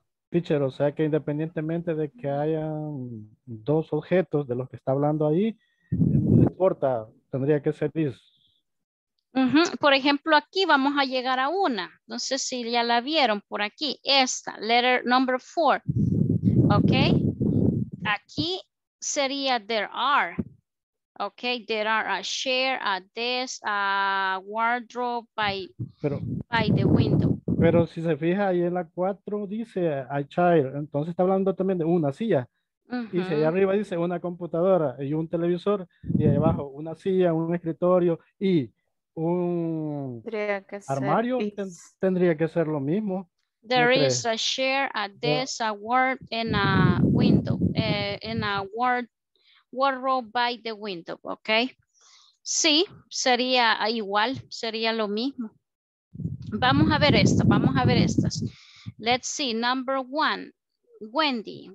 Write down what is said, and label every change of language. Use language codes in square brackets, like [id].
[es] Teacher, o sea que independientemente de que haya dos objetos de los que está hablando ahí, no importa, tendría que ser this. Uh-huh. Por ejemplo, aquí vamos a llegar a una, no sé si ya la vieron por aquí, esta, [en] letter number 4, [es] ok. Aquí sería [en] there are, ok, there are a chair, a desk, a wardrobe by the window. [es] Pero si se fija ahí en la 4 dice [en] a chair, [es] entonces está hablando también de una silla. Uh-huh. Y si ahí arriba dice una computadora y un televisor, y ahí abajo una silla, un escritorio y un armario, tendría que ser lo mismo. [en] There is a chair, a desk, a word, and a window, in a wardrobe by the window, ok. [es] Sí, sería igual, sería lo mismo. Vamos a ver esto, vamos a ver estas. [en] Let's see, number one, [es] Wendy.